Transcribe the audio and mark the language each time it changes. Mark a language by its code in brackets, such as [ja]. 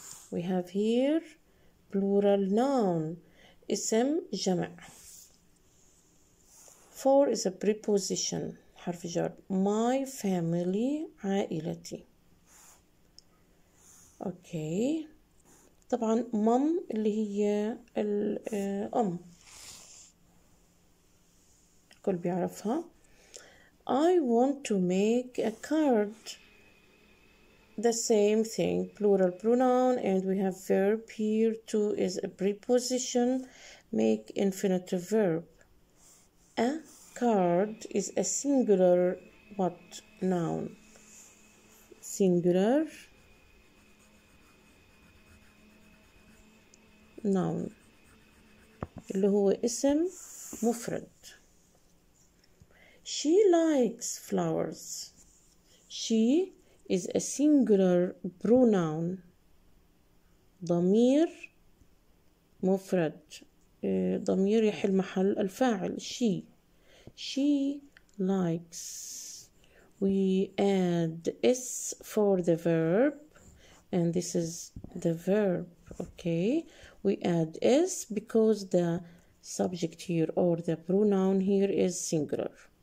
[en] We have here plural noun, [ar] اسم جمع. [en] Four is a preposition, [ar] حرف جر. [en] My family, [ar] عائلتي. [en] Okay. [ar] طبعا mom اللي هي الأم. الكل بيعرفها. [en] I want to make a card. The same thing, plural pronoun, and we have verb here, too, is a preposition, make infinitive verb. A card is a singular what? Noun. Singular [ar] noun اللي هو اسم مفرد. [en] She likes flowers. She is a singular pronoun. [ar] ضمير مفرد. ضمير يحل محل الفاعل she. [en] She likes. We add s for the verb, and this is the verb. Okay. We add s because the subject here or the pronoun here is singular.